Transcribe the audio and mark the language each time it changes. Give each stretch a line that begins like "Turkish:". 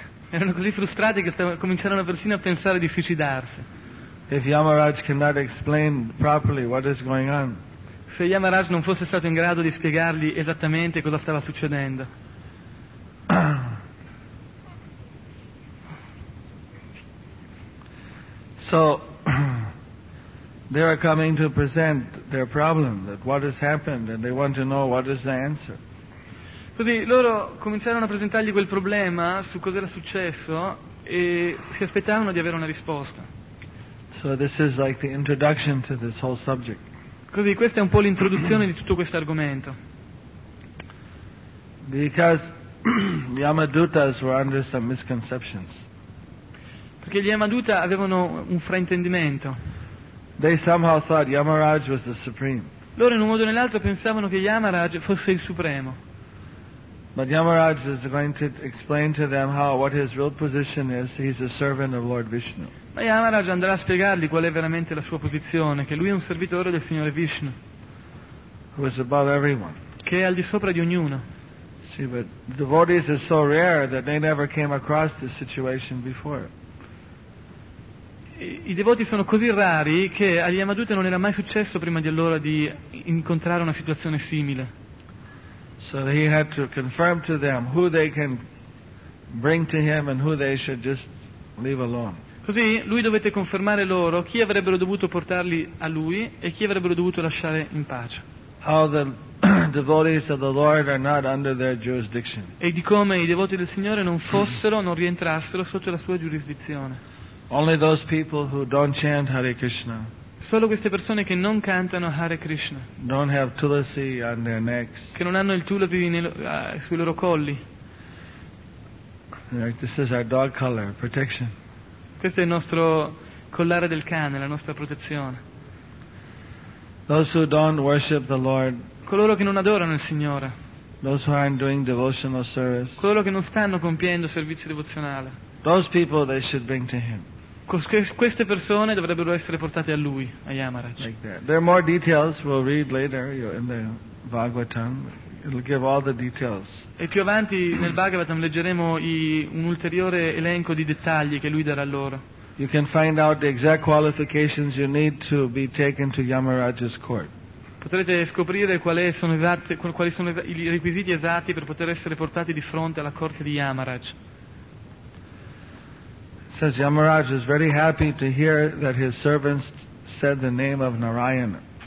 Italian: Erano così frustrati che cominciarono persino a pensare di suicidarsi.
English: If Yamaraj cannot explain properly what is going on.
Italian: Se Yamaraj non fosse stato in grado di spiegargli esattamente cosa stava succedendo.
English: So they are coming to present their problem, that what has happened, and they want to know what is the answer.
Italian: Quindi loro cominciarono a presentargli quel problema, su cosa era successo, e si aspettavano di avere una risposta.
English: So this is like the introduction to this whole subject.
Italian: Così questa è un po' l'introduzione di tutto questo argomento.
English: Because the Yamadutas were under some misconceptions.
Italian: Perché gli Yamaduta avevano un fraintendimento.
English: They somehow thought Yamaraj was the supreme.
Italian: Loro in un modo o nell'altro pensavano che Yamaraj fosse il supremo.
English: But Yamaraj is going to explain to them how what his real position is. He's a servant of Lord Vishnu.
Italian: Ma Yamaraj andrà a spiegargli qual è veramente la sua posizione, che lui è un servitore del Signore Vishnu.
English: Who is above everyone.
Italian: Che è al di sopra di ognuno.
English: See, but devotees are so rare that they never came across this situation before.
Italian: I devoti sono così rari che agli Yamaduta non era mai successo prima di allora di incontrare una situazione simile.
English: So he had to confirm to them who they can bring to him and who they should just leave alone.
Italian: Così lui dovette confermare loro chi avrebbero dovuto portarli a lui e chi avrebbero dovuto lasciare in pace.
English: How the devotees of the Lord are not under their jurisdiction.
Italian: E di come i devoti del Signore non fossero, non rientrassero sotto la sua giurisdizione.
English: Only those people who don't chant Hare Krishna.
Italian: Solo queste persone che non cantano Hare Krishna.
English: Don't have tulasi on their necks.
Italian: Che non hanno il tulasi sui loro colli.
English: Like this is our dog collar, protection.
Italian: Questo è il nostro collare del cane, la nostra protezione.
English: Those who don't worship the Lord.
Italian: Coloro che non adorano il Signore.
English: Those who aren't doing devotional service.
Italian: Coloro che non stanno compiendo servizio devozionale.
English: Those people they should bring to him.
Italian: Queste persone dovrebbero essere portate a lui, a Yamaraj.
English: Like that. There are more details we'll read later in the Bhagavatam. It'll give all the details.
Italian: E più avanti nel Bhagavatam leggeremo un ulteriore elenco di dettagli che lui darà loro.
English: You can find out the exact qualifications you need to be taken to Yamaraj's court.
Italian: Potrete scoprire quali sono i requisiti esatti per poter essere portati di fronte alla corte di Yamaraj.
English: Says Yamaraj is very happy to hear that his servants said the name of Narayana.